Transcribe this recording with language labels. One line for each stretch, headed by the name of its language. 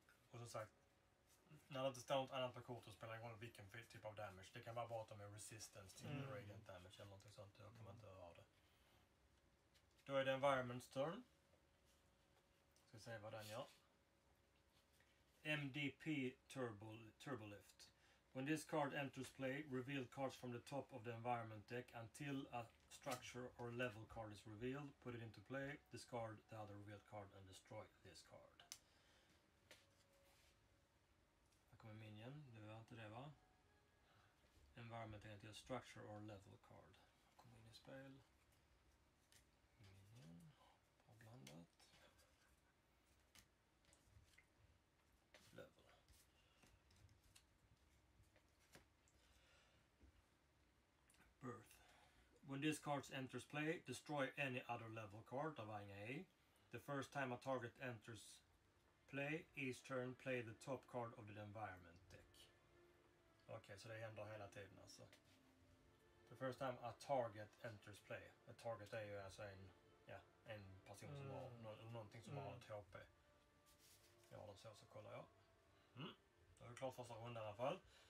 Swedish: Och som sagt. När det inte står något annat på kortet spelar det ingen roll vilken typ av damage. Det kan vara bara att de är resistance till radiant damage eller något sånt. Då kan man inte ha det. Då är det
English: environment's turn.
Swedish: Ska se vad den gör.
English: MDP Turbolift. When this card enters play, reveal cards from the top of the environment deck until structure or level card is revealed, put it into play, discard the other revealed card and destroy this card.
Swedish: Här kommer minion, det var inte det va? Environment är till
English: structure or level card.
Swedish: Kom in i spel. Minion, avblandat.
English: When this card enters play, destroy any other level card of Anya A. The first time a target enters play, each turn play the top card of the environment deck.
Swedish: Okej, okay, så det händer hela tiden alltså.
English: The first time a target enters play.
Swedish: A target är ju alltså en, ja, en person som har någonting som har ett HP. Ja, då så kollar jag. Mm. Då är vi klart första runda i alla fall.